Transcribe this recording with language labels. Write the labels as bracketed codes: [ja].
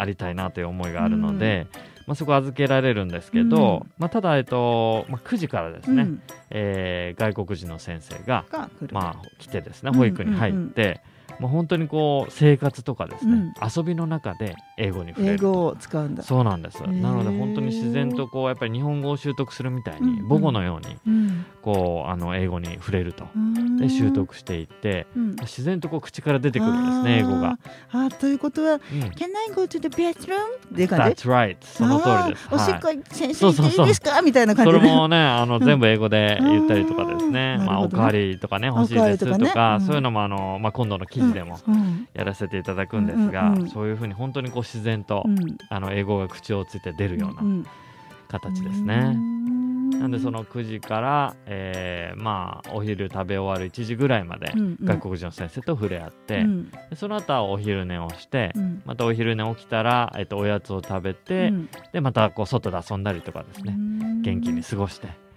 [ja] ありたいなという思いがあるので、うん、まあ、そこ預けられるんですけど、うん、まあ、ただ、まあ、9時からですね、うん、外国人の先生が、まあ、来てですね、保育に入って、うんうんうん、まあ、本当にこう生活とかですね、うん、遊びの中で英語に触れる、英語を使うんだ。そうなんです、なので本当に自然とこうやっぱり日本語を習得するみたいに、うんうん、母語のようにこう英語に触れると、で習得していって、うん、自然とこう口から出てくるんですね、英語が。あ、ということは、うん、 [en] Can I go to the bathroom? [ja] って感じ。 [en] That's right、 [ja] その通りです。おしっこ、はい、先生行っていいですか、みたいな感じで。それもね、全部英語で言ったりとかですね、うん、あ、まあ、ね、おかわりとかね、欲しいですとか、ね、そういうのも、まあ、今度の記事でもやらせていただくんですが、うんうんうん、そういうふうに本当にこう自然と、うん、英語が口をついて出るような形ですね、うんうん、なんでその9時から、まあ、お昼食べ終わる1時ぐらいまで外国人の先生と触れ合って、うんうん、その後はお昼寝をして、うん、またお昼寝起きたら、おやつを食べて、うん、でまたこう外で遊んだりとかですね、元気に過ごして、